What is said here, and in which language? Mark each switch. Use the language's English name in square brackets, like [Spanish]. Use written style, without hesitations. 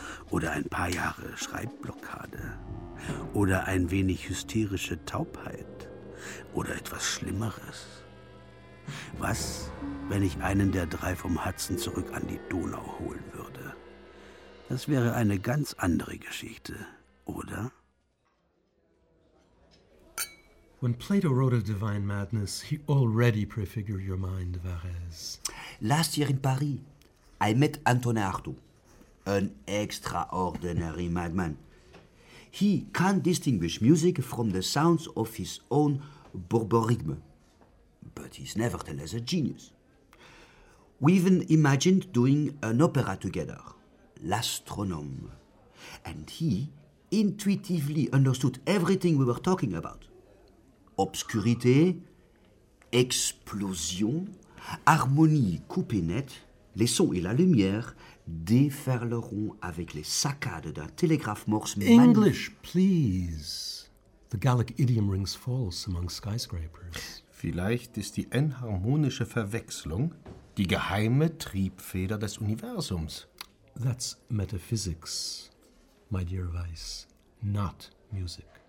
[German] Oder ein paar Jahre Schreibblockade? Oder ein wenig hysterische Taubheit? Oder etwas Schlimmeres? Was, wenn ich einen der drei vom Hudson zurück an die Donau holen würde? Das wäre eine ganz andere Geschichte, oder? [English] When Plato wrote of divine madness, he already prefigured your mind, Varese. Last year in Paris, I met Antonin Artaud, an extraordinary madman. He can't distinguish music from the sounds of his own borborygme, but he's nevertheless a genius. We even imagined doing an opera together, L'Astronome, and he intuitively understood everything we were talking about. [French] Obscurité, explosion, harmonie coupée net, les sons et la lumière déferleront avec les saccades d'un télégraphe morse. [English] English, please. The Gallic idiom rings false among skyscrapers. [German] Vielleicht ist die enharmonische Verwechslung die geheime Triebfeder des Universums. [English] That's metaphysics, my dear Weiss, not music.